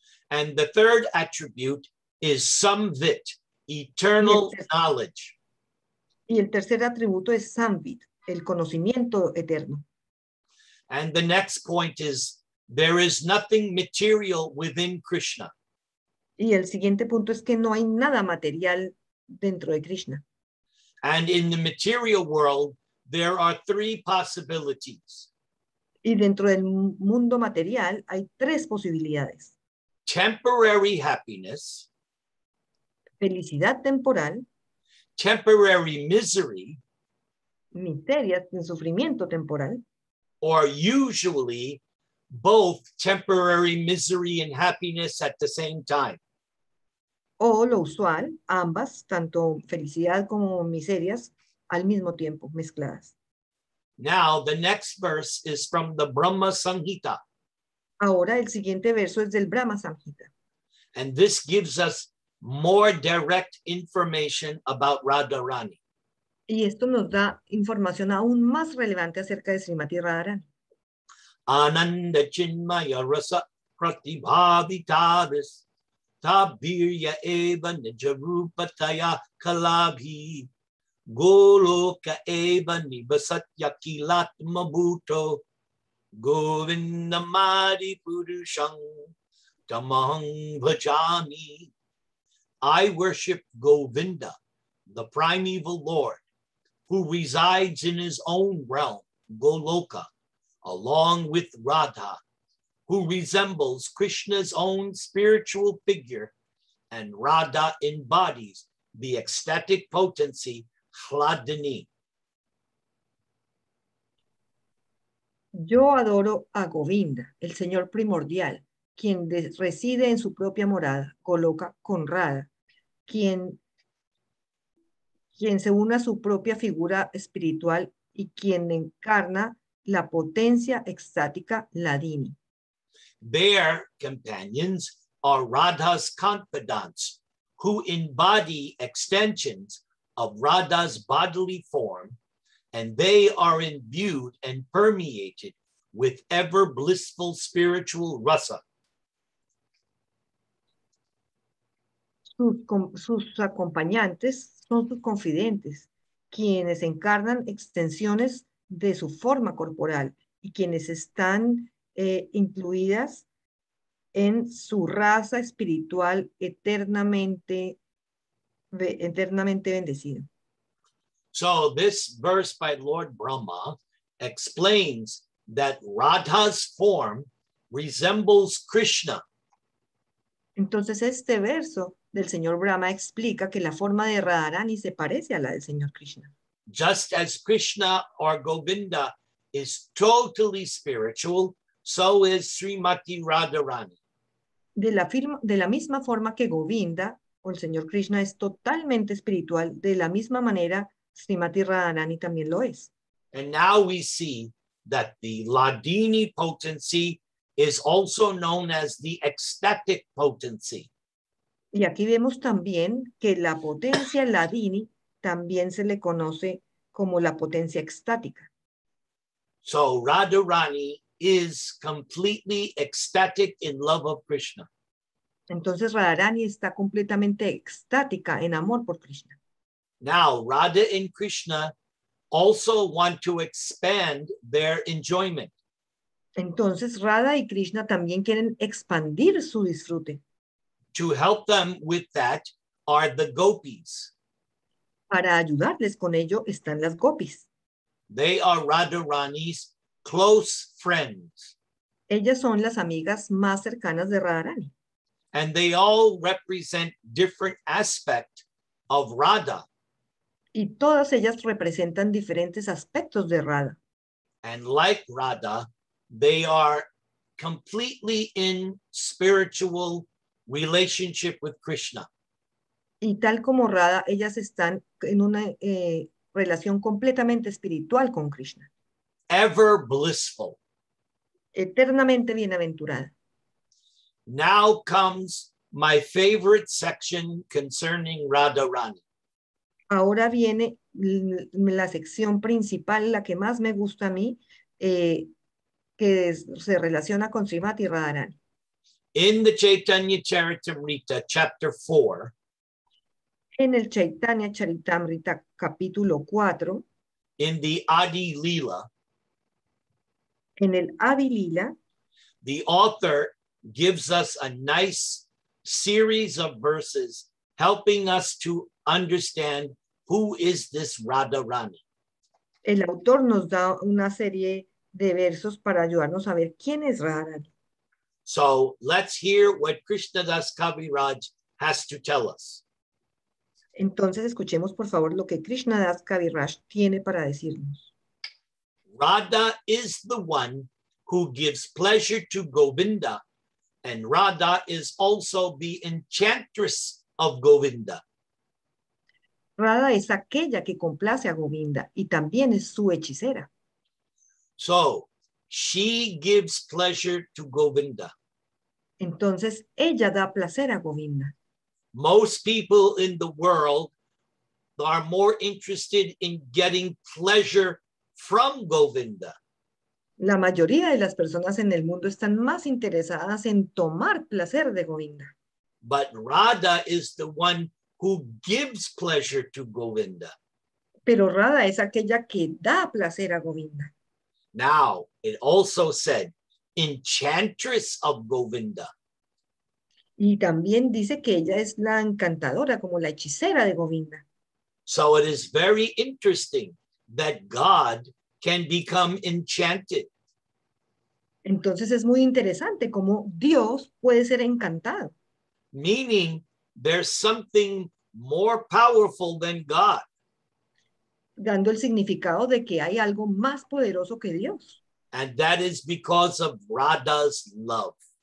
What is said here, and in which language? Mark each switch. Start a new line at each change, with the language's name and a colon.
English: And the third attribute is Samvit, eternal knowledge.
Spanish: Y el tercer atributo es Samvit, el conocimiento eterno.
English: And the next point is there is nothing material within Krishna.
Spanish: Y el siguiente punto es que no hay nada material dentro de Krishna.
English: And in the material world, there are three possibilities.
Spanish: Y dentro del mundo material hay tres posibilidades.
English: Temporary happiness,
Spanish: Felicidad temporal,
English: temporary misery,
Spanish: miseria en sufrimiento temporal,
English: or usually both temporary misery and happiness at the same time.
Spanish: o lo usual, ambas, tanto felicidad como miserias, al mismo tiempo mezcladas.
English: Now, the next verse is from the Brahma Samhita.
Spanish: Ahora el siguiente verso es del Brahma Samhita.
English: And this gives us more direct information about Radharani.
Spanish: Y esto nos da información aún más relevante acerca de Srimati
Sanskrit: Ananda chinmaya rasa pratibhavitaris tabirya eva nijarupataya kalabhi goloka eva nivasatyakilatma bhuto govindamadi purushang Tamaham Bhajami.
English: I worship Govinda, the primeval Lord, who resides in his own realm, Goloka, along with Radha, who resembles Krishna's own spiritual figure, and Radha embodies the ecstatic potency, Kladini.
Spanish: Yo adoro a Govinda, el señor primordial, quien reside en su propia morada, coloca con Radha, quien se une a su propia figura espiritual y quien encarna la potencia extática Ladini.
English: Their companions are Radha's confidants, who embody extensions of Radha's bodily form and they are imbued and permeated with ever blissful spiritual rasa.
Spanish: Sus acompañantes son sus confidentes, quienes encarnan extensiones de su forma corporal y quienes están incluidas en su raza espiritual eternamente bendecida.
English: So this verse by Lord Brahma explains that Radha's form resembles Krishna.
Spanish: Entonces este verso del señor Brahma explica que la forma de Radharani se parece a la del señor Krishna.
English: Just as Krishna or Govinda is totally spiritual, so is Srimati Radharani.
Spanish: De la misma forma que Govinda o el señor Krishna es totalmente espiritual, de la misma manera Srimati Radharani también lo es.
English: And now we see that the Ladini potency is also known as the ecstatic potency.
Spanish: Y aquí vemos también que la potencia Ladini también se le conoce como la potencia extática.
English: So Radharani is completely ecstatic in love of Krishna.
Spanish: Entonces Radharani está completamente extática en amor por Krishna.
English: Now Radha and Krishna also want to expand their enjoyment.
Spanish: Entonces Radha y Krishna también quieren expandir su disfrute.
English: To help them with that are the gopis.
Spanish: Para ayudarles con ello están las gopis.
English: They are Radharani's close friends.
Spanish: Ellas son las amigas más cercanas de Radharani.
English: And they all represent different aspects of Radha.
Spanish: Y todas ellas representan diferentes aspectos de Radha.
English: And like Radha, they are completely in spiritual relationship with Krishna.
Spanish: Y tal como Radha, ellas están en una relación completamente espiritual con Krishna.
English: Ever blissful.
Spanish: Eternamente bienaventurada.
English: Now comes my favorite section concerning Radharani.
Spanish: Ahora viene la sección principal, la que más me gusta a mí, que se relaciona con Srimati Radharani.
English: In the Chaitanya Charitamrita, chapter 4.
Spanish: En el Chaitanya Charitamrita, capítulo 4.
English: In the Adi Lila.
Spanish: En el Adi Lila.
English: The author gives us a nice series of verses helping us to understand who is this Radharani.
Spanish: El autor nos da una serie de versos para ayudarnos a ver quién es Radharani.
English: So let's hear what Krishnadas Kaviraj has to tell us.
Spanish: Entonces escuchemos por favor lo que Krishnadas Kaviraj tiene para decirnos.
English: Radha is the one who gives pleasure to Govinda. And Radha is also the enchantress of Govinda.
Spanish: Radha es aquella que complace a Govinda y también es su hechicera.
English: So, she gives pleasure to Govinda.
Spanish: Entonces, ella da placer a Govinda.
English: Most people in the world are more interested in getting pleasure from Govinda.
Spanish: La mayoría de las personas en el mundo están más interesadas en tomar placer de Govinda.
English: But Radha is the one who gives pleasure to Govinda.
Spanish: Pero Radha es aquella que da placer a Govinda.
English: Now, it also said, enchantress of Govinda.
Spanish: Y también dice que ella es la encantadora, como la hechicera de Govinda.
English: So it is very interesting that God can become enchanted.
Spanish: Entonces es muy interesante cómo Dios puede ser encantado.
English: Meaning there's something more powerful than God.
Spanish: Dando el significado de que hay algo más poderoso que Dios.
English: And that is because of Radha's love.